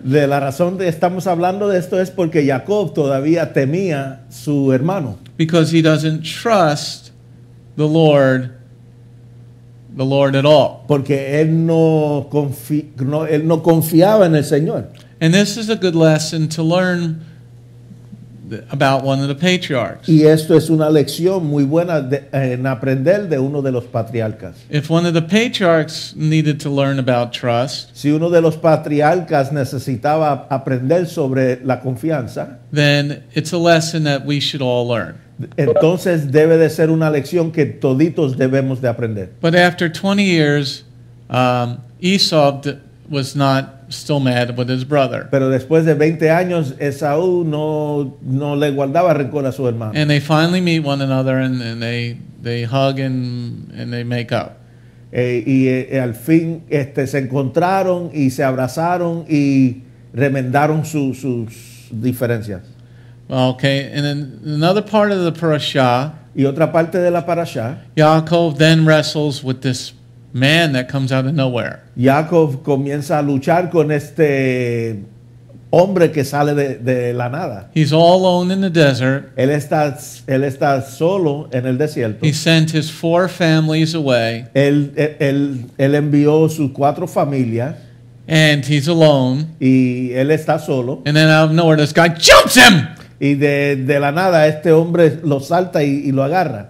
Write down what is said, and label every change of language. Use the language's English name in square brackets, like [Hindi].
[Spanish] De la razón de estamos hablando de esto es porque Jacob todavía temía su hermano. [English] Because he doesn't trust the Lord at all. [Spanish] Porque él no confiaba en el Señor. [English] And this is a good lesson to learn about one of the patriarchs. [Spanish] Y esto es una lección muy buena en aprender de uno de los patriarcas. [English] If one of the patriarchs needed to learn about trust, [Spanish] si uno de los patriarcas necesitaba aprender sobre la confianza, [English] then it's a lesson that we should all learn. [Spanish] Entonces debe de ser una lección que toditos debemos de aprender. [English] But after 20 years, Esau was not still mad with his brother. [Spanish] Pero después de 20 años, Esaú no le guardaba rencor a su hermano. [English] And they finally meet one another and they hug and they make up. [Spanish] Y al fin se encontraron y se abrazaron y remendaron sus diferencias. [English] Okay, and then another part of the parasha. [Spanish] Y otra parte de la parasha. [English] Yaakov then wrestles with this man that comes out of nowhere. [Spanish] Yaakov comienza a luchar con este hombre que sale de la nada. [English] He's all alone in the desert. [Spanish] Él está solo en el desierto. [English] He sent his four families away. [Spanish] Él envió sus cuatro familias. [English] And he's alone. [Spanish] Y él está solo. [English] And then out of nowhere, this guy jumps him. [Spanish] Y de la nada este hombre lo salta y lo agarra.